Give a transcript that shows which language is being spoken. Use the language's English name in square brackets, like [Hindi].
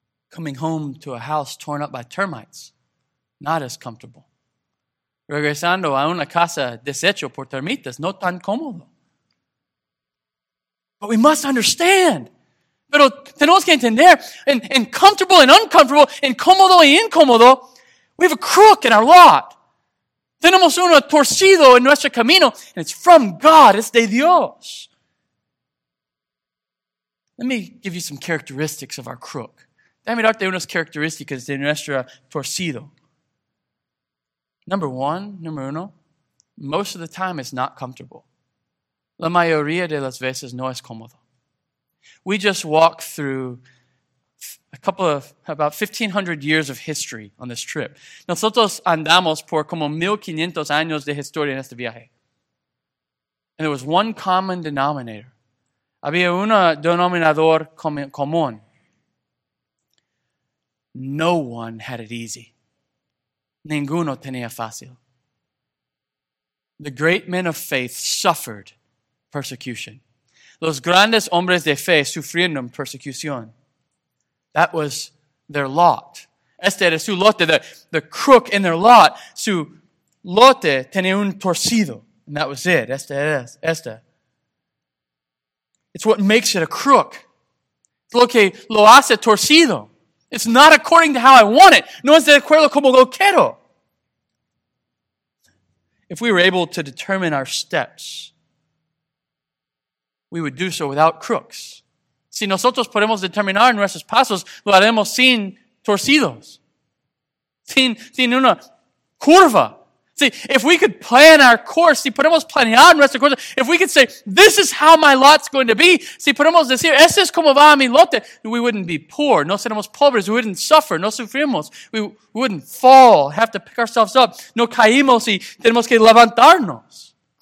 [English] Coming home to a house torn up by termites, not as comfortable. [Spanish] Regresando a una casa deshecha por termitas, no tan cómodo. [English] But we must understand. [Spanish] Pero tenemos que entender, [English] and comfortable and uncomfortable, and [Spanish] cómodo y incómodo, [English] we have a crook in our lot. [Spanish] Tenemos uno torcido en nuestro camino, [English] and it's from God, it's [Spanish] de Dios. [English] Let me give you some characteristics of our crook. [Spanish] Dame darte unas características de nuestro torcido. [English] Number uno, most of the time it's not comfortable. [Spanish] La mayoría de las veces no es cómodo. [English] We just walked through about 1,500 years of history on this trip. [Spanish] Nosotros andamos por como 1,500 años de historia en este viaje. [English] And there was one common denominator. [Spanish] Había un denominador común. [English] No one had it easy. [Spanish] Ninguno tenía fácil. [English] The great men of faith suffered persecution. [Spanish] Los grandes hombres de fe sufrieron persecución. [English] That was their lot. [Spanish] Este era su lote, [English] the crook in their lot. [Spanish] Su lote tenía un torcido. [English] And that was it. [Spanish] Este. [English] It's what makes it a crook. It's [Spanish] lo que lo hace torcido. [English] It's not according to how I want it. [Spanish] No es de acuerdo como lo quiero. [English] If we were able to determine our steps, we would do so without crooks. [Spanish] Si nosotros podemos determinar nuestros pasos, lo haremos sin torcidos. Sin una curva. [English] See, if we could plan our course, [Spanish] si podemos planear nuestro curso, [English] if we could say, this is how my lot's going to be, [Spanish] si podemos decir, este es como va mi lote, [English] we wouldn't be poor, [Spanish] no seremos pobres, [English] we wouldn't suffer, [Spanish] no sufrimos, [English] we wouldn't fall, have to pick ourselves up, [Spanish] no caímos y tenemos que levantarnos.